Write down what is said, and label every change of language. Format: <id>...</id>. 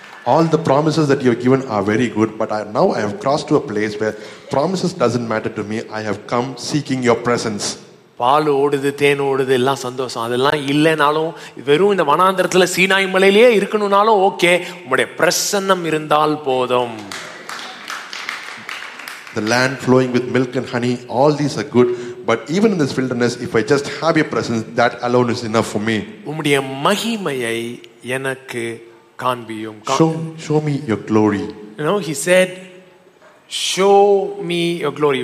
<en>All the promises that you have given are very good, but now I have crossed to a place where promises doesn't matter to me. I have come seeking your presence.</en> <ta>பால் ஓடுது, தேன் ஓடுது, எல்லாம் சந்தோஷம். அதெல்லாம் இல்லைனாலும், வெறும் இந்த வனாந்தரத்துல Sinai மலையிலேயே இருக்கணும்னாலும் okay, உங்களுடைய பிரசன்னம் இருந்தால் போதும்.</ta> <en>The land flowing with milk and honey, all these are good. But even in this wilderness, if I just have your presence, that alone is enough for me.</en> <ta>உம்முடைய மகிமையை எனக்கு காண்பியும்.</ta> <en>Show me your glory. You know, he said, show me your glory.</en>